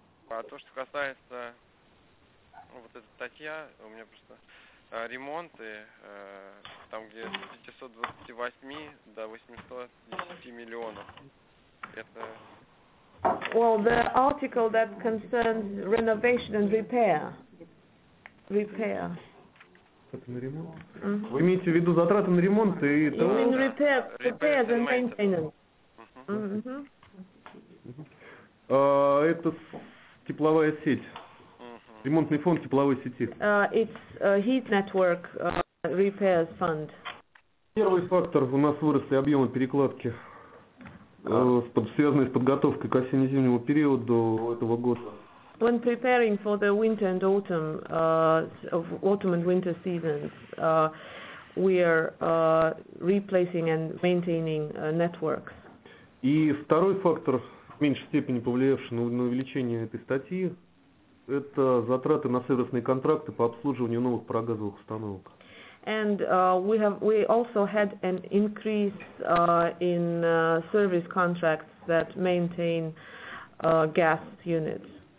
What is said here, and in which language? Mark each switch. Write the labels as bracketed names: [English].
[Russian] А то, что касается вот эта статья, у меня просто ремонты, там где с 528 до 810 миллионов. Это... [English] Well, the article that concerns renovation and repair. Repair. [Russian] Это на ремонт? Mm-hmm. Вы имеете в виду затраты на ремонт и... [English] You mean repairs and maintenance. Mm-hmm. [Russian] Это тепловая сеть. Ремонтный фонд тепловой сети. [English] It's a heat network repairs fund. [Russian] Первый фактор, у нас выросли объемы перекладки, связанные с подготовкой к осенне-зимнему периоду этого года. [English] When preparing for the winter and autumn, autumn and winter seasons, we are replacing and maintaining networks. [Russian] И второй фактор, в меньшей степени повлиявший на увеличение этой статьи, это затраты на сервисные контракты по обслуживанию новых прогазовых установок. [English] And we also had an increase in service contracts that maintain gas units.